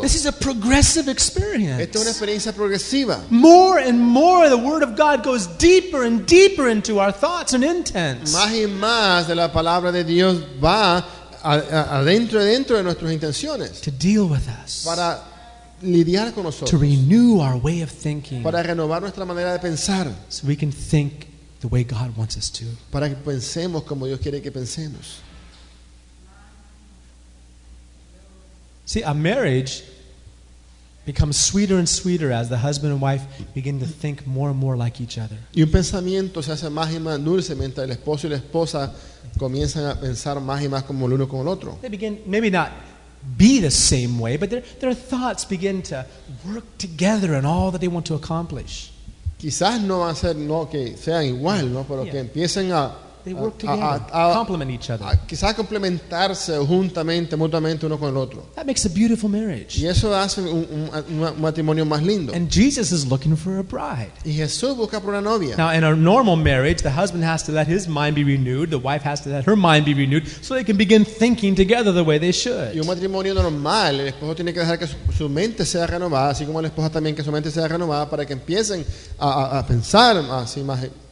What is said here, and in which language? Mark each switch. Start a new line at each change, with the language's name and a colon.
English: This is a progressive experience.
Spanish: Esta es una experiencia progresiva.
English: More and more the word of God goes deeper and deeper into our thoughts and intents.
Spanish: Más y más de la palabra de Dios va adentro de nuestras intenciones.
English: To deal with us.
Spanish: Para lidiar con nosotros.
English: To renew our way of thinking.
Spanish: Para renovar nuestra manera de pensar.
English: So we can think the way God wants us to.
Spanish: Para que pensemos como Dios quiere que pensemos.
English: See, a marriage becomes sweeter and sweeter as the husband and wife begin to think more and more like each other.
Spanish: Y un pensamiento se hace más y más dulce mientras el esposo y la esposa comienzan a pensar más y más como el uno con el otro.
English: They begin, maybe not be the same way, but their thoughts begin to work together in all that they want to accomplish.
Spanish: Quizás no van a ser no que sean igual, ¿no? Pero yeah. Que empiecen a
English: they work together, complement each other.
Spanish: Quizás complementarse juntamente, mutuamente uno con el otro.
English: That makes a beautiful marriage.
Spanish: Y eso hace un matrimonio más lindo.
English: And Jesus is looking for a bride.
Spanish: Y Jesús busca por una novia.
English: Now, in a normal marriage, the husband has to let his mind be renewed, the wife has to let her mind be renewed, so they can begin thinking together the way they should.
Spanish: Y un matrimonio normal, el esposo tiene que dejar que su mente sea renovada, así como la esposa también que su mente sea renovada, para que empiecen a pensar así más